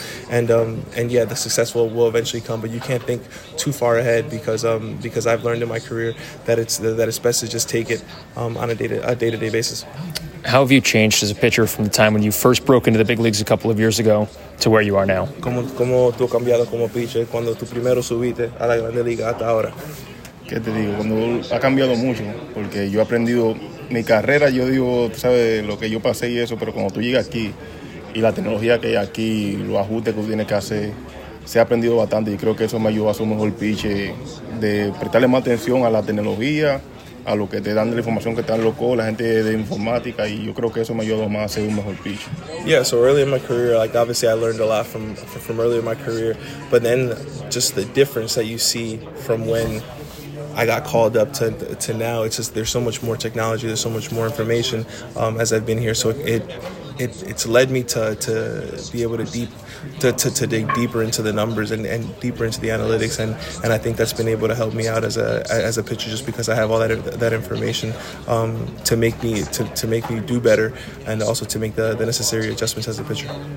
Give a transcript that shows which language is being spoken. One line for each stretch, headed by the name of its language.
English: And the success will eventually come, but you can't think too far ahead because I've learned in my career that it's best to just take it on a day-to-day basis. How have you changed as a pitcher from the time when you first broke into the big leagues a couple of years ago to where you are now?
Spanish: ¿Cómo tú has cambiado como pitcher cuando tú primero subiste a la grande liga hasta ahora? ¿Qué te digo? Cuando ha cambiado mucho, porque yo he aprendido mi carrera, yo digo, tú sabes lo que yo pasé y eso, pero cuando tú llegas aquí y la tecnología que hay aquí, los ajustes que tú tienes que hacer, se ha aprendido bastante y creo que eso me ayudó a hacer un mejor pitch, de prestarle más atención a la tecnología, a lo que te dan la información que te dan loco, la gente de informática, y yo creo que eso me ayudó más a hacer un mejor pitch.
English: Yeah, so early in my career, like obviously I learned a lot from early in my career, but then just the difference that you see from when I got called up to now, it's just there's so much more technology, there's so much more information as I've been here, so it's led me to be able to dig deeper into the numbers and deeper into the analytics, and I think that's been able to help me out as a pitcher, just because I have all that information to make me do better, and also to make the necessary adjustments as a pitcher.